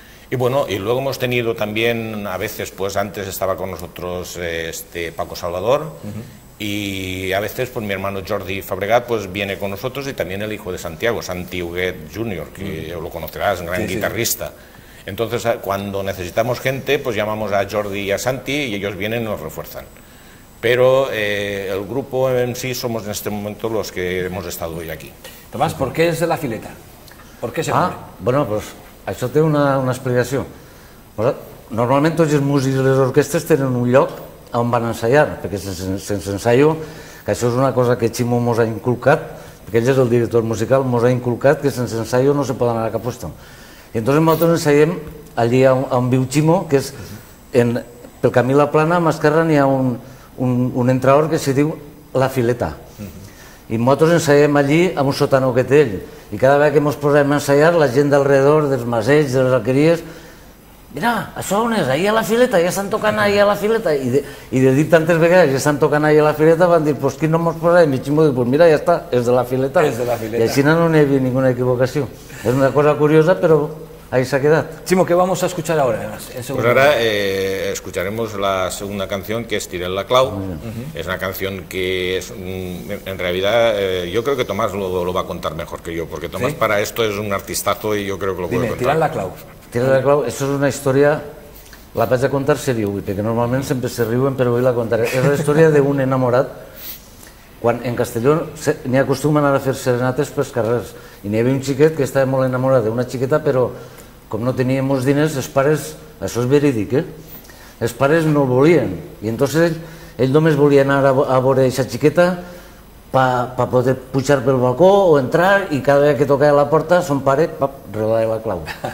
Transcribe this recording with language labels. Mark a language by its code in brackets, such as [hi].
[es] Y bueno, y luego hemos tenido también, a veces, pues antes estaba con nosotros Paco Salvador, uh-huh, y a veces pues mi hermano Jordi Fabregat pues viene con nosotros, y también el hijo de Santiago, Santi Huguet Jr., que uh-huh, lo conocerás, un gran guitarrista. Sí. Entonces, cuando necesitamos gente, pues llamamos a Jordi y a Santi, y ellos vienen y nos refuerzan. Pero el grupo en sí somos en este momento los que hemos estado hoy aquí. Tomás, uh-huh, ¿por qué es de La Fileta? ¿Por qué se llama? Bueno, pues... [ca] Això té una explicació. Normalment tots els músics i les orquestres tenen un lloc on van ensaiar, perquè sense ensaio, que això és una cosa que Ximo mos ha inculcat, perquè ell és el director musical, mos ha inculcat que sense ensaio no se poden anar a cap lloc. I entonces nosaltres ensaiem allí on viu Ximo, que és pel camí La Plana, a mà esquerra n'hi ha un entraor que se diu La Fileta. I nosaltres ensaiem allí amb un sotano que té ell. I cada vegada que ens posem a ensaiar, la gent d'alrededor, dels masells, de les alqueries, mira, això on és? Ahir a La Fileta, ja estan tocant ahir a La Fileta. I de dir tantes vegades, ja estan tocant ahir a La Fileta, van dir, pues qui no ens posem? I Ximo diu, pues mira, ja està, és de La Fileta. És de La Fileta. I així no hi havia ninguna equivocació. És una cosa curiosa, però [es] ahí se ha quedado. Ximo, ¿qué vamos a escuchar ahora? Pues ahora escucharemos la segunda canción, que es Tiré la clau. Uh-huh. Es una canción que es, en realidad, yo creo que Tomás lo va a contar mejor que yo, porque Tomás, ¿sí?, para esto es un artistazo y yo creo que lo puede contar. Tiré la clau. Tiré la clau, eso es una historia, [ca] la vaig a contar [es] serio, porque normalmente siempre se riuen, pero hoy la contaré. Es la historia de un enamorat. [ca] Quan en Castelló n'hi acostumen a fer serenates pels carrers, i n'hi havia un xiquet que estava molt enamorat d'una xiqueta, però com no tenia molts diners, els pares, això és verídic, eh? Els pares no el volien, i entonces ell només volia anar a veure aquesta xiqueta pa poder pujar pel balcó o entrar, i cada vegada que tocava la porta, son pare, pap, rebaia la clau.